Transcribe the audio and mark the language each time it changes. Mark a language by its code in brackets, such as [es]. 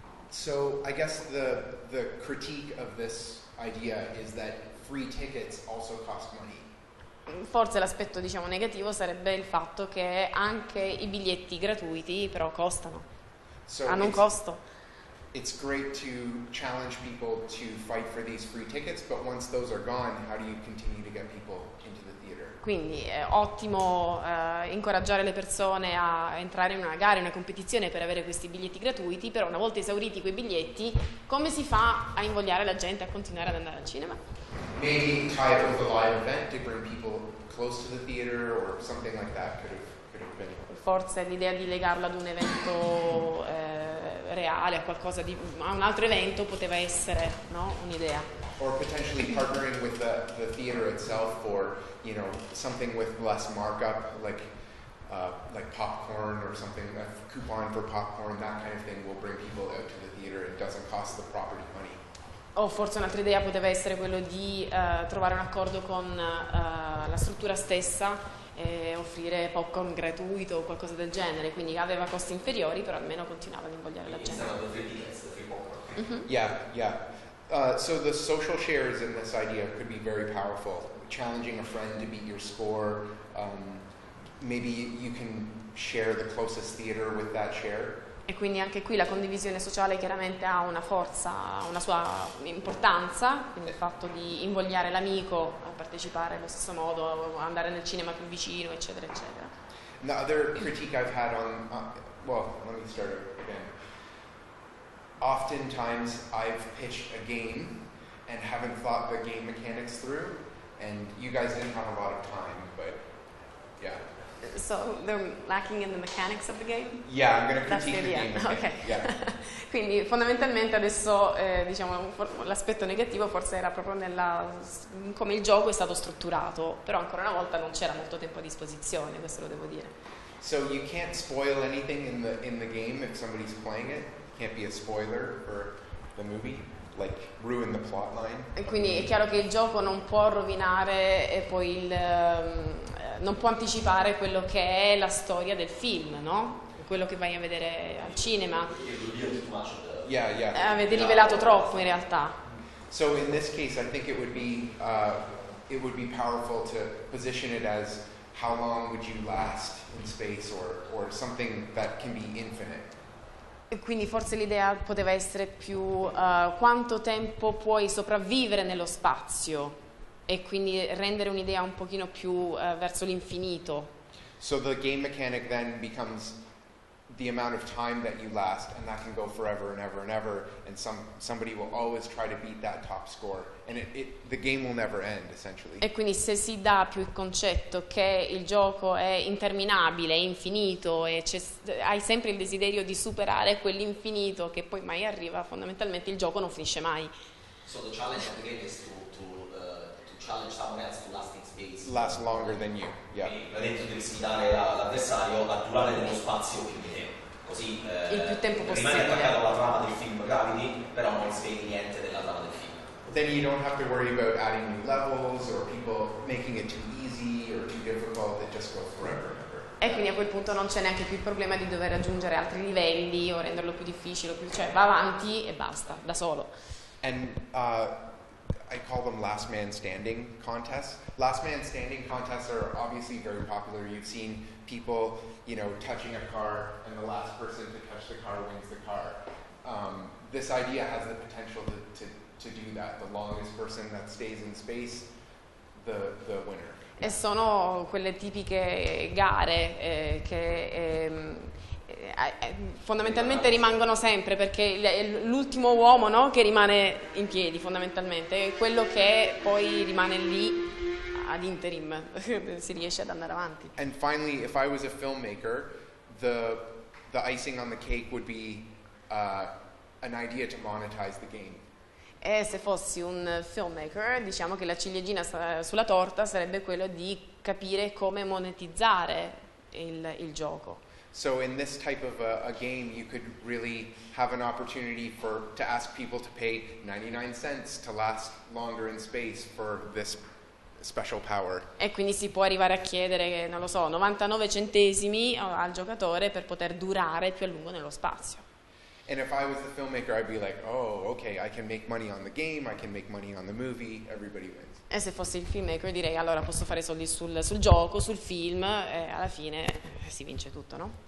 [en] So I guess the critique of this idea is that free tickets also cost money. [it] Forse l'aspetto diciamo negativo sarebbe il fatto che anche i biglietti gratuiti però costano, [en] so [it] hanno un costo. [en] it's great to challenge people to fight for these free tickets, but once those are gone, how do you continue to get people into the theater? [it] Quindi è ottimo incoraggiare le persone a entrare in una gara, in una competizione per avere questi biglietti gratuiti, però una volta esauriti quei biglietti, come si fa a invogliare la gente a continuare ad andare al cinema? [en] Maybe tie it with a live event to bring people close to the theater or something like that could have been. [it] Forse l'idea di legarla ad un evento reale, a qualcosa di, a un altro evento poteva essere, no, un'idea. [en] Or potentially partnering with the theater itself for, you know, something with less markup, like popcorn or something, a coupon for popcorn, that kind of thing will bring people out to the theater and doesn't cost the property money. [it] O forse un'altra idea poteva essere quello di trovare un accordo con la struttura stessa e offrire popcorn gratuito o qualcosa del genere, quindi aveva costi inferiori, però almeno continuava ad invogliare la gente. Mm-hmm. [en] Yeah. So the social shares in this idea could be very powerful. Challenging a friend to beat your score, maybe you can share the closest theater with that share. [it] E quindi anche qui la condivisione sociale chiaramente ha una forza, una sua importanza, quindi il fatto di invogliare l'amico a partecipare allo stesso modo, andare nel cinema più vicino, eccetera, eccetera. [en] The other critique I've had on, let me start again. Oftentimes I've pitched a game and haven't thought the game mechanics through, and you guys didn't have a lot of time, but yeah. So they're lacking in the mechanics of the game? Yeah, I'm going to critique the game. Okay. Yeah. [it] Quindi fondamentalmente adesso diciamo l'aspetto negativo forse era proprio nella come il gioco è stato strutturato, però ancora una volta non c'era molto tempo a disposizione, questo lo devo dire. [en] So you can't spoil anything in the game if somebody's playing it. Can't be a spoiler for the movie. Like ruin the plot line. [it] E quindi è chiaro che il gioco non può rovinare e poi il non può anticipare quello che è la storia del film, no? Quello che vai a vedere al cinema. [en] Yeah. [it] Avete rivelato troppo in realtà. [en] So in this case I think it would be powerful to position it as how long would you last in space or something that can be infinite. [it] Quindi forse l'idea poteva essere più quanto tempo puoi sopravvivere nello spazio e quindi rendere un'idea un pochino più verso l'infinito. [en] So the game mechanic then becomes the amount of time that you last, and that can go forever and ever and ever, and somebody will always try to beat that top score, and it the game will never end, essentially. [it] E quindi se si dà più il concetto che il gioco è interminabile, è infinito, e hai sempre il desiderio di superare quell'infinito che poi mai arriva, fondamentalmente il gioco non finisce mai. [en] So the challenge of the game is to challenge someone else to last in space. Last longer than you, yeah. [it] Ha detto di sfidare l'avversario a durare nello spazio più. Così, il più tempo possibile. Rimane attaccato alla trama del film Gravity, però non svegli niente della trama del film. [en] Then you don't have to worry about adding new levels or people making it too easy or too difficult. It just goes forever. [it] E quindi a quel punto non c'è neanche più il problema di dover aggiungere altri livelli o renderlo più difficile, cioè va avanti e basta, da solo. [en] And I call them last man standing contests. Last man standing contests are obviously very popular. You've seen people, you know, touching a car and the last person to touch the car wins the car. This idea has the potential to do that. The longest person that stays in space, the winner. [it] E sono quelle tipiche gare che fondamentalmente rimangono sempre perché è l'ultimo uomo, no, che rimane in piedi fondamentalmente, è quello che poi rimane lì ad interim, si riesce ad andare avanti. [en] And finally, if I was a filmmaker, the icing on the cake would be an idea to monetize the game. [it] E se fossi un filmmaker, diciamo che la ciliegina sulla torta sarebbe quello di capire come monetizzare il gioco. [en] So in this type of a game you could really have an opportunity to ask people to pay 99 cents to last longer in space for this special power. [it] E quindi si può arrivare a chiedere, non lo so, 99 centesimi al giocatore per poter durare più a lungo nello spazio. [en] And if I was the filmmaker I'd be like, oh, okay, I can make money on the game, I can make money on the movie, everybody wins. [it] E se fossi il filmmaker direi allora posso fare soldi sul gioco, sul film, e alla fine si vince tutto, no?